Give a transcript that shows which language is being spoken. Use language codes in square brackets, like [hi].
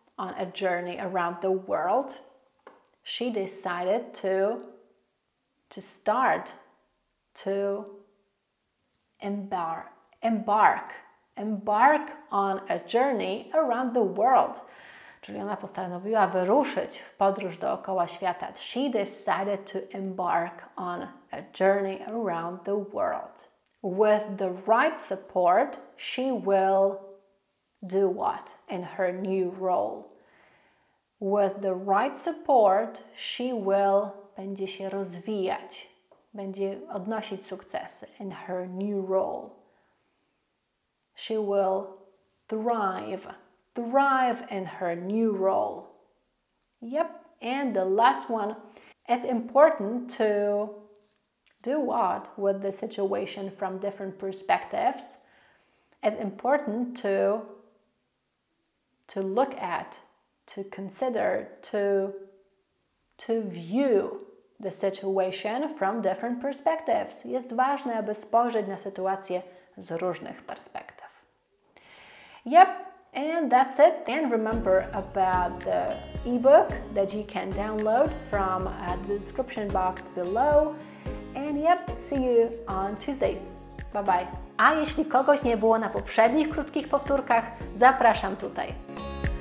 [en] On a journey around the world, she decided to embark on a journey around the world. [pl] Czyli ona postanowiła wyruszyć w podróż dookoła świata. [en] She decided to embark on a journey around the world. With the right support, she will do what in her new role? With the right support, she will [pl] będzie się rozwijać, będzie odnosić sukcesy [en] in her new role. She will thrive in her new role. Yep, and the last one, it's important to do what with the situation from different perspectives. It's important to look at, to consider, to view the situation from different perspectives. [pl] Jest ważne, aby spojrzeć na sytuację z różnych perspektyw. [en] Yep, and that's it. And remember about the ebook that you can download from the description box below. And yep, see you on Tuesday. [pl] Bye-bye. A jeśli kogoś nie było na poprzednich krótkich powtórkach, zapraszam tutaj.